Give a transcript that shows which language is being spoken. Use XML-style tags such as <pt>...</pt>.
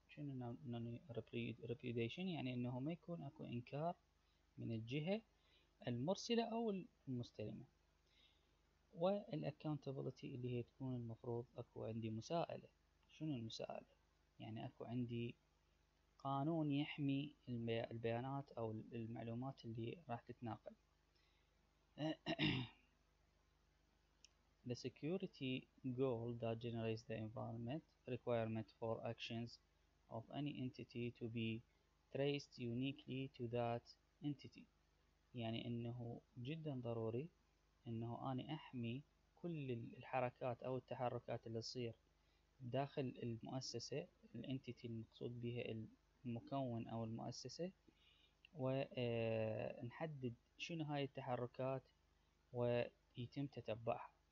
<ar>شنو نون ريبيوديشن؟ يعني انه ما يكون اكو انكار من الجهة المرسلة او المستلمة. والاكاونتابيلتي اللي هي تكون المفروض اكو عندي مساءلة. شنو المساءلة؟ يعني اكو عندي قانون يحمي البيانات او المعلومات اللي راح تتناقل.</ar> <en>The security goal that generates the environment requirement for actions of any entity to be traced uniquely to that entity.</en> <ar>يعني انه جدا ضروري انه انا احمي كل الحركات او التحركات اللي تصير داخل المؤسسة، الانتيتي المقصود بها المكون او المؤسسة، ونحدد شنو هاي التحركات ويتم تتبعها.</ar>